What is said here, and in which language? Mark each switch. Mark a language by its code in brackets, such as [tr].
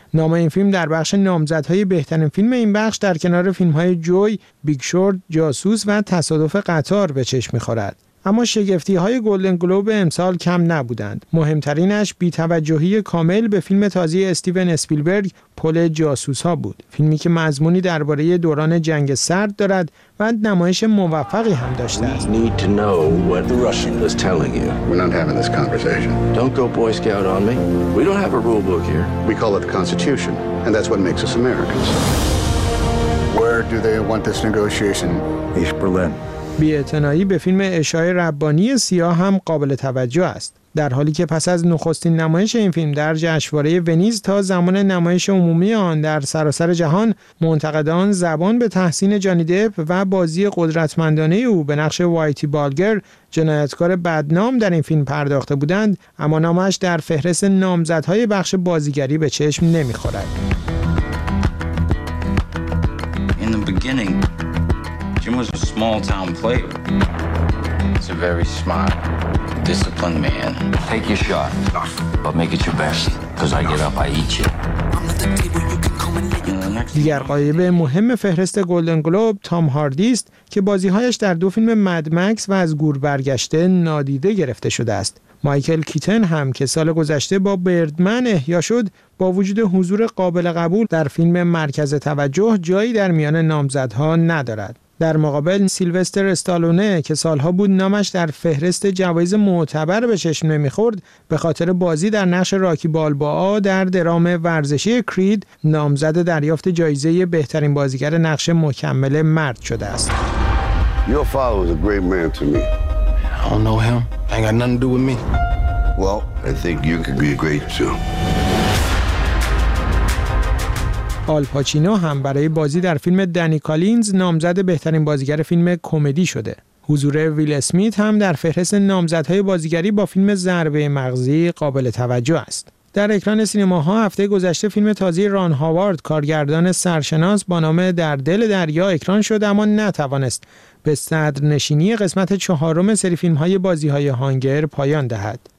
[fa] نام این فیلم در بخش نامزدهای بهترین فیلم این بخش در کنار فیلم‌های جوی، بیگ شورت، جاسوس و تصادف قطار به چشم می‌خورد. اما شگفتی‌های گلدن گلوب امسال کم نبودند. مهمترینش بی‌توجهی کامل به فیلم تازه استیون اسپیلبرگ پل جاسوس‌ها بود. فیلمی که مضمونی درباره دوران جنگ سرد دارد و نمایش موفقی هم داشته است. [en] We need to know what the Russian was telling you. We're not having this conversation. Don't go boy scout on me. We don't have a rule book here. We call it the Constitution, and that's what makes us Americans. Where do they want this negotiation? [fa] East Berlin. بی‌اعتنایی به فیلم اشای ربانی سیاه هم قابل توجه است. در حالی که پس از نخستین نمایش این فیلم در جشنواره ونیز تا زمان نمایش عمومی آن در سراسر جهان، منتقدان زبان به تحسین جانی دپ و بازی قدرتمندانه او به نقش وایتی بالگر، جنایتکار بدنام در این فیلم پرداخته بودند، اما نامش در فهرست نامزدهای بخش بازیگری به چشم نمی‌خورد. [en] In the beginning, Jim was a small town player. He's a very smart, disciplined man. Take your shot, enough. But make it your best, because I get up, I eat you. [fa] دیگر غایب مهم فهرست گلدن گلوب تام هاردی است که بازیهایش در دو فیلم مد مکس و از گور برگشته نادیده گرفته شده است. مایکل کیتن هم که سال گذشته با بردمن احیا شد، با وجود حضور قابل قبول در فیلم مرکز توجه جایی در میان نامزدها ندارد. در مقابل سیلوستر استالونه که سالها بود نامش در فهرست جوایز معتبر به چشم نمی‌خورد، به خاطر بازی در نقش راکی بالبا در درام ورزشی کرید نامزد دریافت جایزه بهترین بازیگر نقش مکمل مرد شده است. [en] Your father was a great man to me. I don't know him. Ain't got nothing to do with me. Well, I think you could be great too. [fa] آل پاچینو هم برای بازی در فیلم دنی کالینز نامزد بهترین بازیگر فیلم کمدی شده. حضور ویل اسمیت هم در فهرست نامزدهای بازیگری با فیلم ضربه مغزی قابل توجه است. در اکران سینماها هفته گذشته فیلم تازه ران هاوارد کارگردان سرشناس با نام در دل دریا اکران شد، اما نتوانست به صدر نشینی قسمت چهارم سری فیلم‌های بازی‌های هانگر پایان دهد.